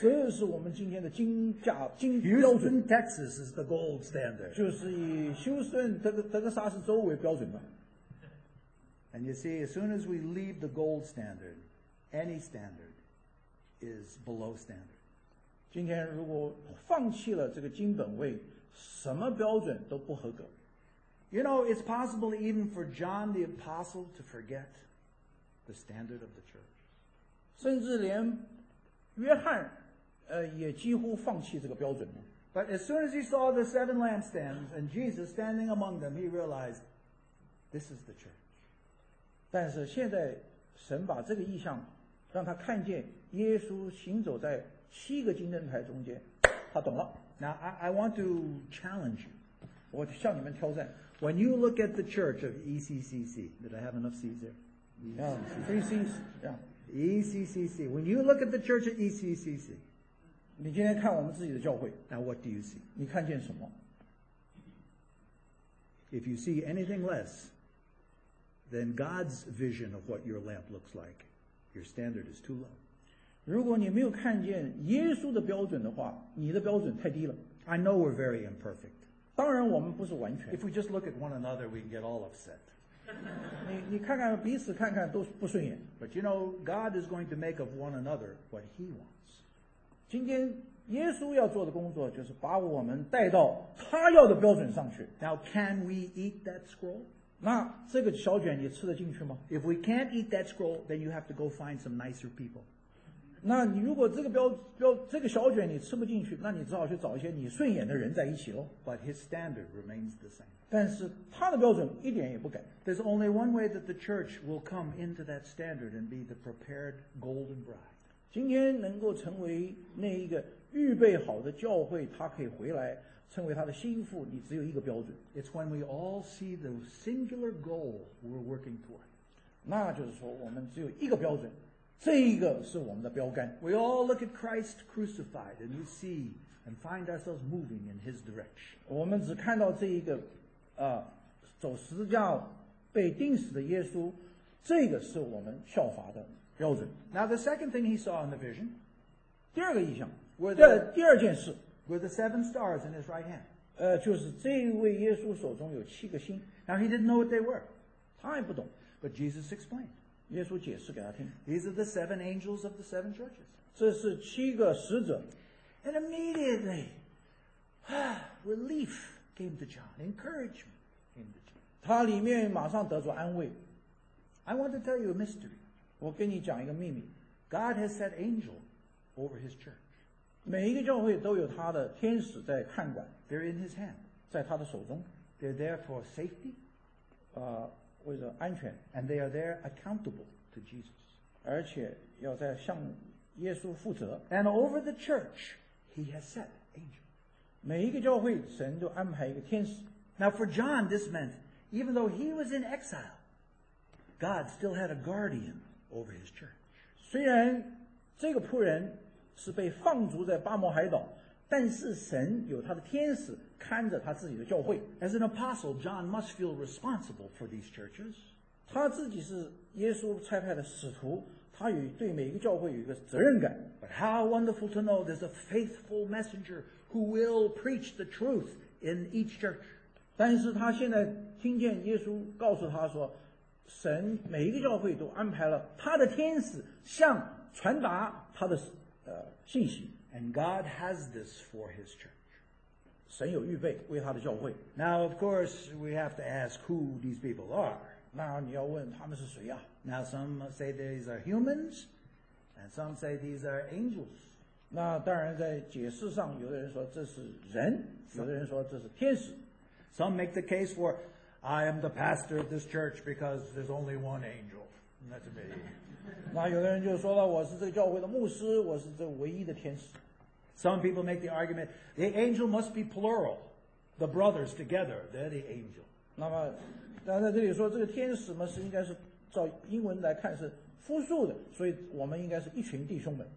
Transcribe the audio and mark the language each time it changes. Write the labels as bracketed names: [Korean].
[Chinese] 这是我们今天的金价金标 [English] 准。Houston, Texas is the gold standard. [Chinese] 就是以休斯顿德克萨斯州为标准的。 [English] And you see, as soon as we leave the gold standard, any standard. Is below standard. [Chinese] 今天如果放弃了这个金本位，什么标准都不合格。 [English] You know, it's possible even for John the Apostle to forget the standard of the church. [Chinese] 甚至连约翰，也几乎放弃这个标准。 [English] But as soon as he saw the seven lampstands and Jesus standing among them, he realized this is the church. [Chinese] 但是现在神把这个意象让他看见。耶稣行走在七个金灯台中间，他懂了。 [English] Now I want to challenge you. [Chinese] 我向你们挑战。 [English] When you look at the church of ECCC, did I have enough C's there? ECCC. When you look at the church of ECCC, [Chinese] 你今天看我们自己的教会。 [English] Now what do you see? [Chinese] 你看见什么？ [English] If you see anything less than God's vision of what your lamp looks like, your standard is too low. [Chinese] 如果你没有看见耶稣的标准的话，你的标准太低了。 [English] I know we're very imperfect. [Chinese] 当然我们不是完全。 [English] If we just look at one another, we can get all upset. [Chinese] 你看看彼此看看都不顺眼。 [English] But you know, God is going to make of one another what he wants. [Chinese] 今天耶稣要做的工作就是把我们带到他要的标准上去。 [English] Now can we eat that scroll? [Chinese] 那这个小卷你吃得进去吗？ [English] If we can't eat that scroll, then you have to go find some nicer people. [Chinese] 那你如果这个这个小卷你吃不进去，那你只好去找一些你顺眼的人在一起咯。 [English] But his standard remains the same. [Chinese] 但是他的标准一点也不改。 [English] There's only one way that the church will come into that standard and be the prepared golden bride. [Chinese] 今天能够成为那一个预备好的教会，他可以回来成为他的心腹，你只有一个标准。 [English] It's when we all see the singular goal we're working toward. [Chinese] 那就是说我们只有一个标准，这一个是我们的标杆。 [English] We all look at Christ crucified and we see and find ourselves moving in his direction. [Chinese] 我们只看到这一个走十字架被钉死的耶稣，这个是我们效法的标准。 [English] Now the second thing he saw in the vision, [Chinese] 第二个异象， [English] the [Chinese] 第二件事， [English] were the seven stars in his right hand. [Chinese] 就是这位耶稣手中有七个星。 [English] Now he didn't know what they were. [Chinese] 他也不懂。 [English] But Jesus explained. [Chinese] 耶稣解释给他听。 [English] These are the seven angels of the seven churches. [Chinese] 这是七个使者。 [English] And immediately, relief came to John. Encouragement came to John. [Chinese] 他里面马上得着安慰。 [English] I want to tell you a mystery. [Chinese] 我跟你讲一个秘密。 [English] God has set angel over his church. [Chinese] 每一个教会都有他的天使在看管。 [English] They're in his hand. [Chinese] 在他的手中。 [English] They're there for safety. [Chinese] 为了安全。 [English] And they are there accountable to Jesus. [Chinese] 而且要在向耶稣负责。 [English] And over the church, he has set angels. [Chinese] 每一个教会神就安排一个天使。 [English] Now for John, this meant, even though he was in exile, God still had a guardian over his church. [Chinese] 虽然这个仆人是被放逐在巴摩海岛，但是神有他的天使看着他自己的教会。 [English] As an apostle, John must feel responsible for these churches. [Chinese] 他自己是耶稣差派的使徒，他有对每一个教会有一个责任感。 [English] But how wonderful to know there's a faithful messenger who will preach the truth in each church. [Chinese] 但是他现在听见耶稣告诉他说，神每一个教会都安排了他的天使向传达他的信息。 [English] And God has this for his church. [Chinese] 神有预备为他的教会。 [English] Now, of course, we have to ask who these people are. [Chinese] 那你要问他们是谁啊？ [English] Now, some say these are humans, and some say these are angels. [Chinese] 那当然在解释上，有的人说这是人，有的人说这是天使。 [English] Some make the case for, I am the pastor of this church because there's only one angel. That's me. [Chinese] 那有的人就说了，我是这个教会的牧师，我是这唯一的天使。 [English] Some people make the argument, the angel must be plural. The brothers together, they're the angel. [Chinese] 那么，但在这里说这个天使嘛，是应该是照英文来看是复数的，所以我们应该是一群弟兄们。